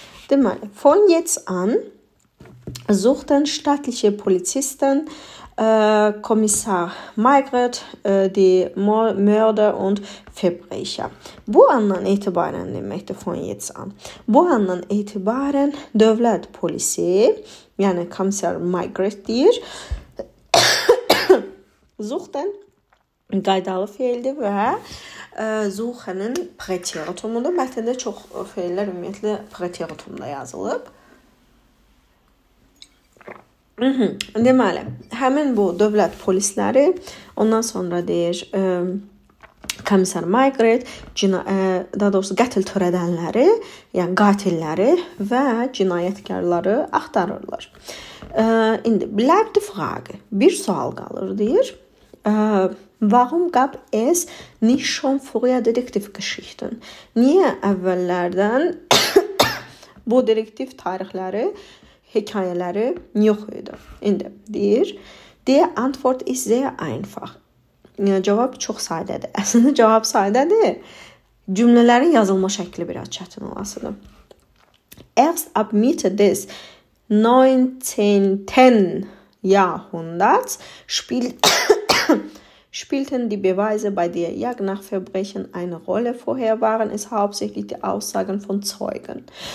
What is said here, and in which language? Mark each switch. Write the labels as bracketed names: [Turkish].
[German] Deməli, von jetzt an suchten staatliche Polizisten Kommissar Margaret die Mörder und Verbrecher. [Azerbaijani] Bu andan etibaren deməkdir [German] von jetzt an. [Azerbaijani] Bu andan etibaren dövlət polisi, yəni Kommissar Margaret deyir, suchten qaydalı fiildir və suchenin preteritumudur. Mətndə çox fiillər ümumiyyətlə preteritumda yazılıb. Deməli, həmin bu dövlət polisləri, ondan sonra deyir, komissar Maigret, daha doğrusu qətil törədənləri, yəni qatilləri və cinayətkarları axtarırlar. [German] İndi, bleib die Frage, [Azerbaijani] bir sual qalır, deyir, [German] warum gab es nicht schon früher Detektivgeschichten? [Azerbaijani] Niyə əvvəllərdən bu detektiv tarixləri, hekayələri yox idi. İndi deyir, [German] die Antwort ist sehr einfach. [Azerbaijani] Cavab çox sadədir. Əslində, cavab sadədir. Cümlələrin yazılma şəkli biraz çətin olasıdır. [German] erst ab Mitte des 19. Jahrhunderts spielten die Beweise bei der Jagd nach Verbrechen eine Rolle. Vorher waren es hauptsächlich die Aussagen von Zeugen.